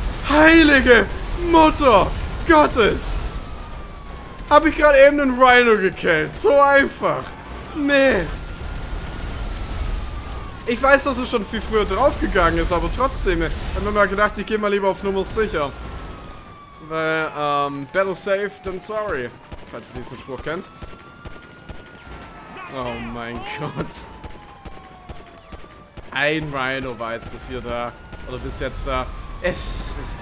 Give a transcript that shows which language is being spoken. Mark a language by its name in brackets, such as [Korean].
[German] Heilige Mutter Gottes! Hab ich gerade eben einen Rhino gekillt? So einfach! Nee! Ich weiß, dass es schon viel früher draufgegangen ist, aber trotzdem, ich habe mir mal gedacht, ich gehe mal lieber auf Nummer sicher. Weil, [English] better safe than sorry. [German] Falls ihr diesen Spruch kennt. Oh mein Gott. Ein Rhino war jetzt bis hier da. Oder bis jetzt da. Es.